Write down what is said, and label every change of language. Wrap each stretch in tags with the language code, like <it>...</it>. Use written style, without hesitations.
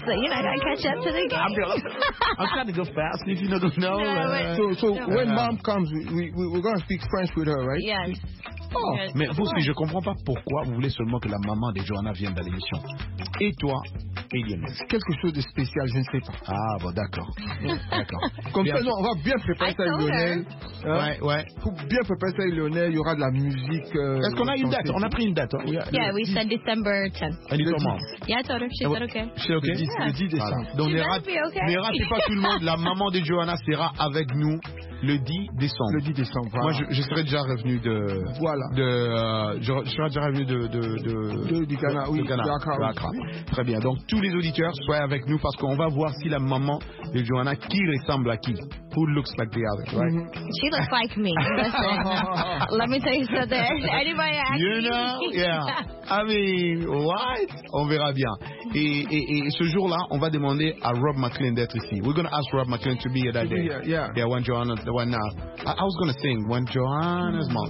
<en>So, you know, I gotta catch up to the game. I'm trying to go fast. If you don't know, when mom comes, we're gonna speak French with her, right? Yes.</en> <fr>Oh, mais vous aussi, je ne comprends pas pourquoi vous voulez seulement que la maman de Joanna vienne dans l'émission. Et toi, Eliane? C'est quelque chose de spécial, je ne sais pas. Ah, bon, d'accord. Comme bien. Ça, non, on va bien préparer ça à Lionel. Ouais. Bien préparer ça à Lionel, il y aura de la musique. Est-ce qu'on a une date? On a pris une date. Hein.</fr> <en>We said December 10th.</en> <fr>Elle est comment?</fr> <en>Yeah, I told her, she said okay. She's okay?</en> <fr>Le 10 décembre. Voilà. Donc, ne ratez pas tout le monde, la maman de Joanna sera avec nous. Le 10 décembre. Le 10 décembre, voilà. Moi, je serais déjà revenu de... Voilà. Je serais déjà revenu de Ghana. Très bien. Donc, tous les auditeurs, soyez avec nous parce qu'on va voir si la maman de Joanna, qui ressemble à qui.</fr> <en>Who looks like the other, right? Mm-hmm. She looks like me. Let me tell you something. Anybody asking? You know? Yeah. I mean, what?</en> <fr>On verra bien. Et ce jour-là, on va demander à Rob McLean d'être ici.</fr> <en>We're going to ask Rob McLean to be here that day. Yeah. Yeah, when Joanna... I was going to sing when Joanna's mom.</en>